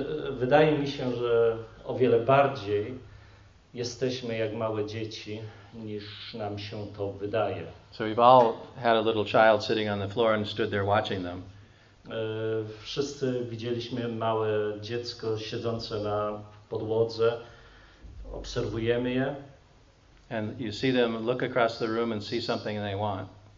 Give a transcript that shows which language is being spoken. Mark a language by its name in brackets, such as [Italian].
[Polish] Wydaje mi się, że o wiele bardziej jesteśmy jak małe dzieci, niż nam się to wydaje. [English] So we've all had a little child sitting on the floor and stood there watching them. [Polish] Wszyscy widzieliśmy małe dziecko siedzące na podłodze. Obserwujemy je. [English] And you see them look across the room and see something they want.